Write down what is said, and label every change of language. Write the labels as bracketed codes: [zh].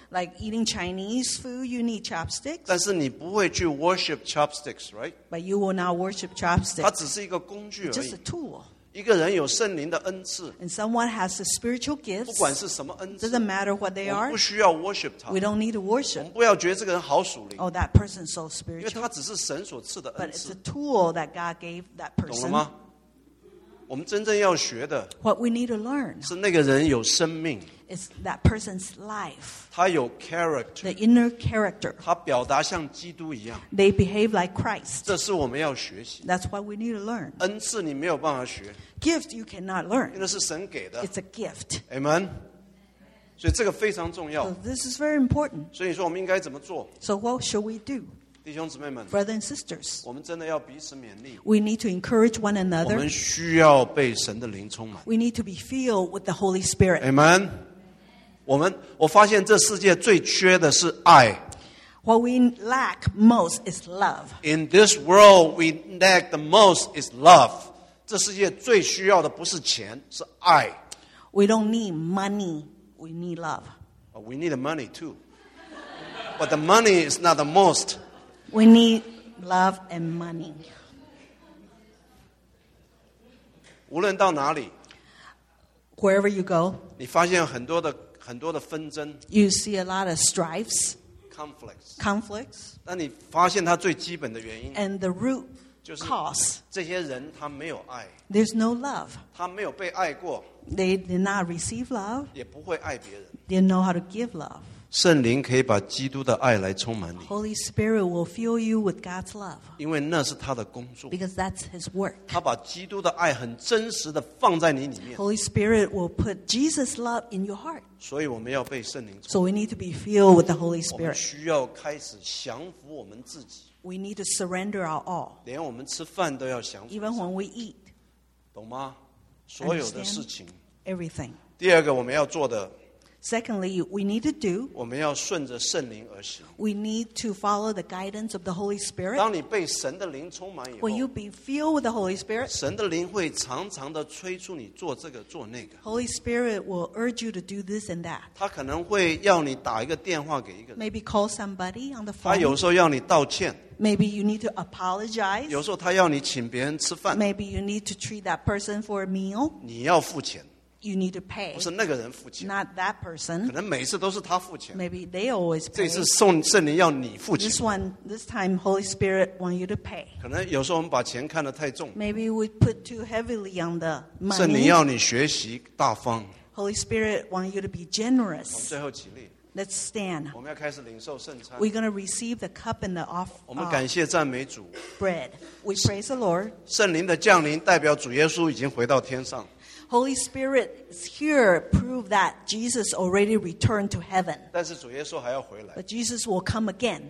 [en] Like eating Chinese food, you need chopsticks. [zh] 但是你不会去 [en] worship chopsticks, right? But you will not worship chopsticks. [zh] 它只是一个工具而已。 [en] Just a tool. [zh] 一个人有圣灵的恩赐。 [en] And someone has the spiritual gifts. [zh] 不管是什么恩赐。 [en] Doesn't matter what they are. [zh] 不需要 worship 他。 [en] We don't need to worship. [zh] 我们不要觉得这个人好属灵。 [en] Oh, that person is so spiritual. [zh] 因为他只是神所赐的恩赐。 [en] But it's a tool that God gave that person. [zh] 懂了吗？我们真正要学的。 [en] What we need to learn. [zh] 是那个人有生命。 [en] It's that person's life. [zh] 他有 character. [en] The inner character. [zh] 他表达像基督一样。 [en] They behave like Christ. [zh] 这是我们要学习。 [en] That's what we need to learn. [zh] 恩赐你没有办法学。 [en] Gift you cannot learn. [zh] 那是神给的。 [en] It's a gift. [zh] Amen. 所以这个非常重要。 [en] So this is very important. [zh] 所以说我们应该怎么做？ [en] So what should we do? [zh] 弟兄姊妹们。 [en] Brothers and sisters. [zh] 我们真的要彼此勉励。 [en] We need to encourage one another. [zh] 我们需要被神的灵充满。 [en] We need to be filled with the Holy Spirit. Amen. [zh] 我发现这世界最缺的是爱。 [en] What we lack most is love. In this world, we lack the most is love. [zh] 这世界最需要的不是钱，是爱。 [en] We don't need money, we need love. We need the money too. But the money is not the most. We need love and money. [zh] 无论到哪里。 [en] Wherever you go. [zh] 你发现很多的很多的纷争 [en] You see a lot of strifes Conflicts [zh] 但你发现它最基本的原因 [en] And the root cause [zh] 这些人他没有爱 [en] There's no love [zh] 他没有被爱过 [en] They did not receive love [zh] 也不会爱别人 [en] They didn't know how to give love [zh] 圣灵可以把基督的爱来充满你 [en] Holy Spirit will fill you with God's love [zh] 因为那是他的工作 [en] Because that's his work [zh] 他把基督的爱很真实的放在你里面 [en] Holy Spirit will put Jesus' love in your heart [zh] 所以我们要被圣灵充满。 [en] So we need to be filled with the Holy Spirit. [zh] 我们需要开始降服我们自己。 [en] We need to surrender our all. [zh] 连我们吃饭都要降服。 [en] Even when we eat. [zh] 懂吗？所有的事情。 [en] Understand everything. [zh] 第二个我们要做的。 [en] Secondly, we need to do. [zh] 我们要顺着圣灵而行。 [en] We need to follow the guidance of the Holy Spirit. [zh] 当你被神的灵充满以后。 [en] When you be filled with the Holy Spirit. [zh] 神的灵会常常的催促你做这个做那个。 [en] Holy Spirit will urge you to do this and that. [zh] 他可能会要你打一个电话给一个人。 [en] Maybe call somebody on the phone. [zh] 他有时候要你道歉。 [en] Maybe you need to apologize. [zh] 有时候他要你请别人吃饭。 [en] Maybe you need to treat that person for a meal. [zh] 你要付钱。 [en] you need to pay. [zh] 不是那个人付钱。 [en] Not that person. [zh] 可能每次都是他付钱。 [en] Maybe they always pay. [zh] 这次送圣灵要你付钱。 [en] This one, this time, Holy Spirit want you to pay. [zh] 可能有时候我们把钱看得太重。 [en] Maybe we put too heavily on the money. [zh] 圣灵要你学习大方。 [en] Holy Spirit want you to be generous. [zh] 我们最后起立。 [en] Let's stand. [zh] 我们要开始领受圣餐。 [en] We're going to receive the cup and the off. [zh] 我们感谢赞美主。 [en] Bread. We praise the Lord. [zh] 圣灵的降临代表主耶稣已经回到天上。 [en] Holy Spirit is here to prove that Jesus already returned to heaven. [zh] 但是主耶稣还要回来。 [en] But Jesus will come again.